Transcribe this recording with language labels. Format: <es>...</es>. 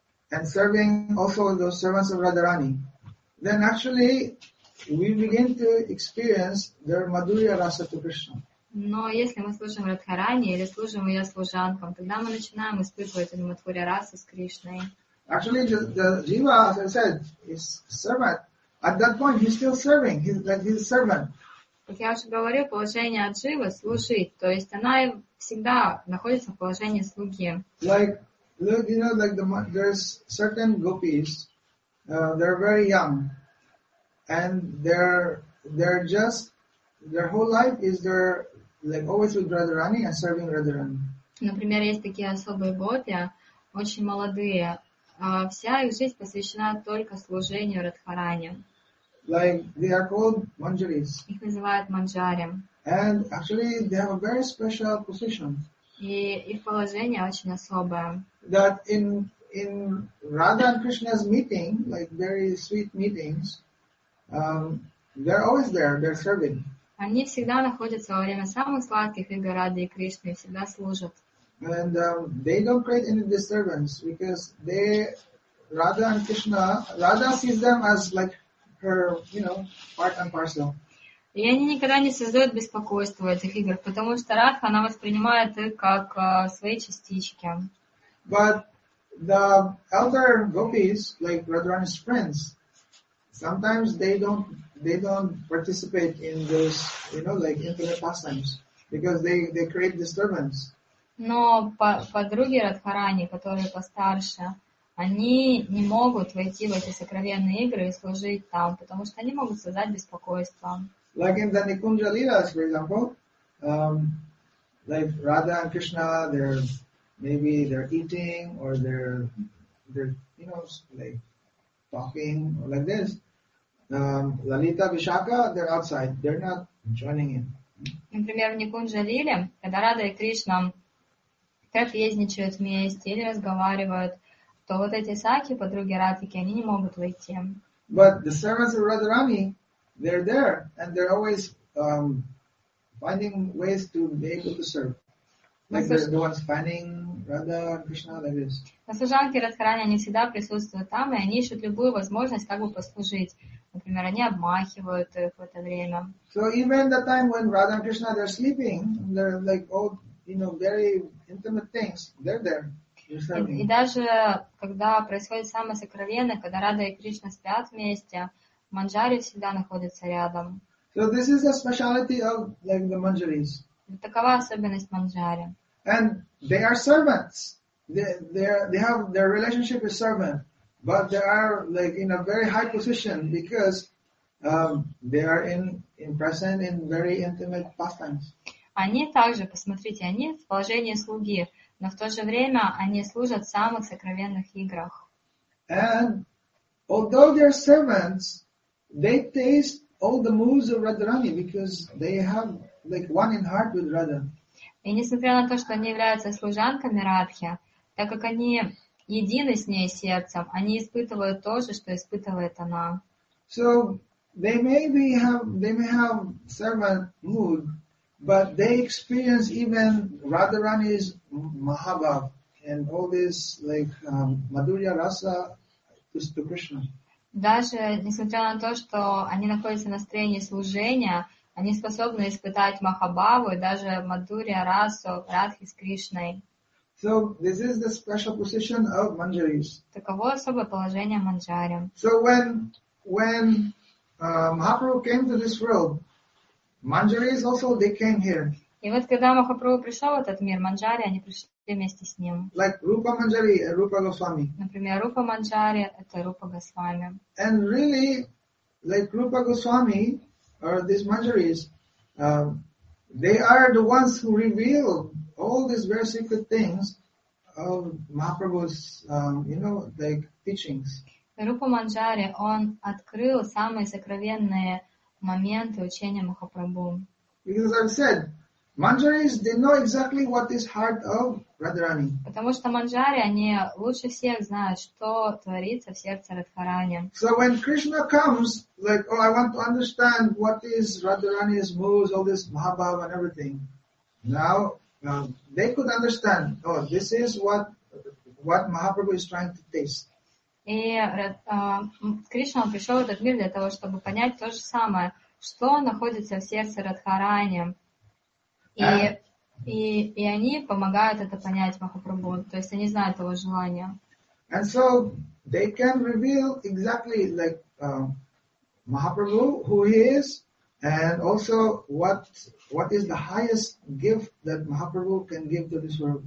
<en>And serving also those servants of Radharani, then actually we begin to experience their madhurya rasa to Krishna.</en> <ru>Но если мы служим Радхарани или служим ее служанкам, тогда мы начинаем испытывать эту мадхурья расу с Кришной.</ru> <en>Actually, the jiva, as I said, is servant. At that point, he's still serving. He's like he's a servant.</en> <ru>Как я уже говорил, положение дживы служить, то есть она всегда находится в положении слуги.</ru> <en>Like look, you know, like there's certain gopis, they're very young, and they're just, their whole life is they're like always with Radharani and serving Radharani.</en> <ru>Например, есть такие особые гопи, очень молодые, вся их жизнь посвящена только служению Радхарани.</ru> <en>Like they are called manjaris.</en> <ru>Их называют манджари.</ru> <en>And actually, they have a very special position.</en> <ru>И их положение очень особое.</ru> <en>That in Radha and Krishna's meeting, like very sweet meetings, they're always there, they're serving.</en> <ru>Они всегда находятся во время самых сладких игр Рады и Кришны, всегда служат.</ru> <en>And they don't create any disturbance because they Radha and Krishna, Radha sees them as like her, you know, part and parcel.</en> <ru>И они никогда не создают беспокойства в этих играх, потому что Радха, она воспринимает их как свои частички.</ru> <en>But the elder gopis, like Radharani's friends, sometimes they don't participate in those, you know, like intimate pastimes because they create disturbance.</en> <ru>Но подруги Радхарани, которые постарше, они не могут войти в эти сокровенные игры и служить там, потому что они могут создать беспокойство.</ru> <en>Like in the Nikunja Leelas, for example, like Radha and Krishna, they're eating or they're you know, like talking or like this. Lalita, Vishaka, they're outside. They're not joining in.</en> <ru>Например, в Никунджа Лиле, когда Рада и Кришна трапезничают вместе или разговаривают, то вот эти саки, подруги Радхики, они не могут войти.</ru> <en>But the servants of Radharani, they're there and they're always finding ways to be able to serve. Like they're the ones finding Radha and Krishna like this.</en> <ru>Служанки Радхарани, они всегда присутствуют там, и они ищут любую возможность как бы послужить. Например, они обмахивают их в это время.</ru> <en>So even the time when Radha and Krishna they're sleeping, they're like all, you know, very intimate things, they're there.</en> <ru>И даже когда происходит самое сокровенное, когда Рада и Кришна спят вместе, Манджари всегда находится рядом.</ru> <en>So this is the speciality of like the Manjaris.</en> <ru>Такова особенность Манджари.</ru> <en>And they are servants. They have their relationship is servant, but they are like in a very high position because they are in present in very intimate pastimes.</en> <ru>Они также, посмотрите, они в положении слуги, но в то же время они служат в самых сокровенных играх.</ru> <en>And although they're servants, they taste all the moves of Radharani because they have like one in heart with Radha.</en> <ru>И несмотря на то, что они являются служанками Радхи, так как они едины с ней сердцем, они испытывают то же, что испытывает она.</ru> <en>So they may have servant mood, but they experience even Radharani's Mahabhav and all this like Madhurya Rasa to Krishna.</en> <ru>Даже несмотря на то, что они находятся в настроении служения, они способны испытать Махабаву и даже Мадурья Расу Радхи с Кришной.</ru> <en>So this is the special position of Manjaris.</en> <ru>Таково особое положение Манджари.</ru> <en>So when Mahaprabhu came to this world, Manjaris also they came here.</en> <ru>И вот когда Махапрабху пришел в этот мир, Манджари, они пришли вместе с ним.</ru> <en>Like Rupa Manjari, Rupa Goswami.</en> <ru>Например, Рупа Манджари — это Рупа Госвами.</ru> <en>And really, like Rupa Goswami, or these Manjaris, they are the ones who reveal all these very secret things of Mahaprabhu's, like teachings.</en> <ru>Рупа Манджари, он открыл самые сокровенные моменты учения Махапрабху.</ru> <en>Because as I said, Manjaris, they know exactly what is heart of Radharani.</en> <ru>Потому что Манджари, они лучше всех знают, что творится в сердце Радхарани.</ru> <en>So when Krishna comes, like, oh, I want to understand what is Radharani's moves, all this Mahabhava and everything. Now, they could understand, oh, this is what Mahaprabhu is trying to taste.</en> <ru>И Кришна пришел в этот мир для того, чтобы понять то же самое, что находится в сердце Радхарани. И они помогают это понять Махапрабху, то есть они знают его желания.</ru> <en>And so they can reveal exactly like Mahaprabhu who he is, and also what is the highest gift that Mahaprabhu can give to this world.</en>